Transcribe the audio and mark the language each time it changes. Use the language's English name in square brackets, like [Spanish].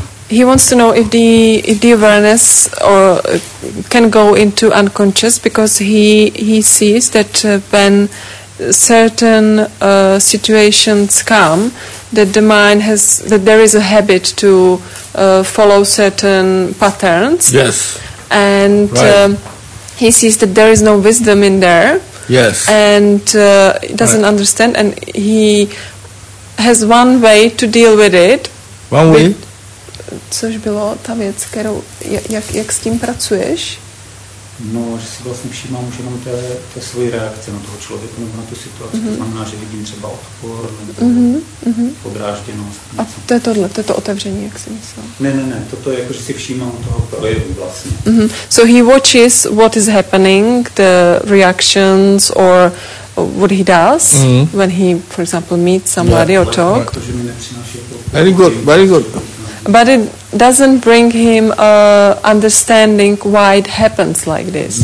[English] He wants to know if the awareness or can go into unconscious, because he sees that when certain situations come, that the mind has, that there is a habit to follow certain patterns. Yes. And right. He sees that there is no wisdom in there. Yes. And he doesn't right. understand, and he has one way to deal with it. One way. [Czech] Což bylo ta věc, kterou, jak s tím pracuješ? No, že si vlastně všímám už jenom té svoji reakce na toho člověka nebo na tu situaci. Mm-hmm. To znamená, že vidím třeba odpor nebo podrážděnost. A to je tohle, to je to otevření, jak jsi myslel? Ne, toto je jako, že si všímám toho projevu vlastně. Mm-hmm. [English] So he watches what is happening, the reactions or what he does when he, for example, meets somebody or talk. [Czech] To, že mi nepřináší jako... [English] Very good. But it doesn't bring him understanding why it happens like this.